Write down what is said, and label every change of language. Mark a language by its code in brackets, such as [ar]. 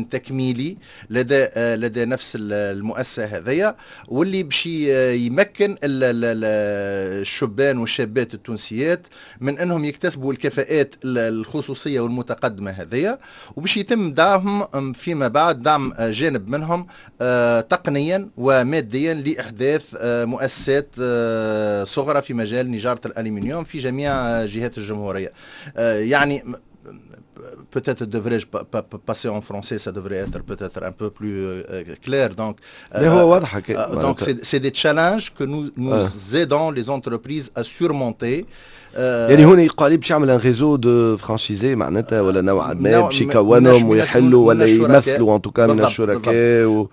[ar] تعيين تكميلي لدى نفس المؤسسة هذية، واللي بشي يمكن الشبان والشابات التونسيات من أنهم يكتسبوا الكفاءات الخصوصية والمتقدمة هذية، وبشي يتم دعمهم فيما بعد، دعم جانب منهم تقنيا وماديا لإحداث مؤسسات صغرى في مجال نجارة الألمنيوم في جميع جهات الجمهورية. [fr] يعني peut-être devrais-je passer en français, ça devrait être peut-être un peu plus clair. Donc, donc c'est des challenges que nous aidons les entreprises à surmonter. [ar] يعني هنا يقال باش يعمل ان ريزو دو فرانشيزي معناتها ولا نوع ما باش يكونهم ويحلوا ولا يمثلوا ان توكا من الشركاء